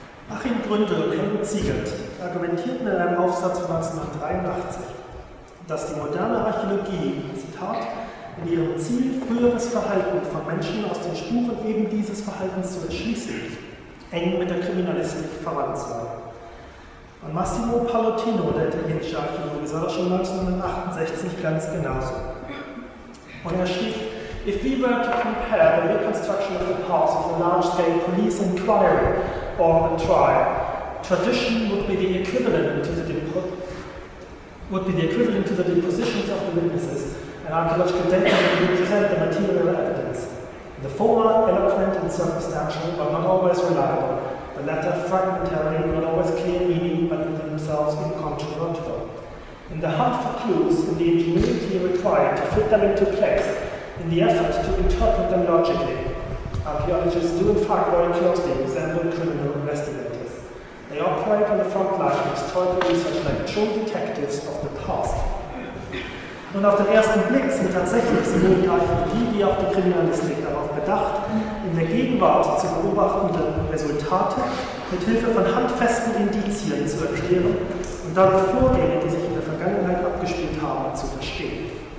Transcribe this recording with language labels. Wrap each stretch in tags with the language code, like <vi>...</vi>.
<de>Achim Gründel, Helmut Ziegert, argumentierten in einem Aufsatz von 1983, dass die moderne Archäologie, Zitat, in ihrem Ziel, früheres Verhalten von Menschen aus den Spuren eben dieses Verhaltens zu entschließen, eng mit der Kriminalistik verwandt sei. Und Massimo Pallottino, der italienische Archäologe, sah das schon 1968 ganz genauso. Und er schrieb:</de> <en>If we were to compare the reconstruction of the past with a large-scale police inquiry or a trial, tradition would be the equivalent to the depositions of the witnesses, and archaeological data would represent the material evidence. The former, eloquent and circumstantial, but not always reliable, the latter, fragmentary, not always clear meaning, but in themselves incontrovertible. In the hunt for clues and the ingenuity required to fit them into place, in the effort to interpret them logically, archaeologists do in fact very closely resemble criminal investigators. They operate on the front line of historical research like true detectives of the past.</en> <de>Und auf den ersten Blick sind tatsächlich sowohl die Archäologie wie auch die Kriminalistik darauf bedacht, in der Gegenwart zu beobachtenden Resultate mit Hilfe von handfesten Indizien zu erklären und dadurch Vorgänge, die sich in der Vergangenheit abgespielt haben, zu verstehen.</de>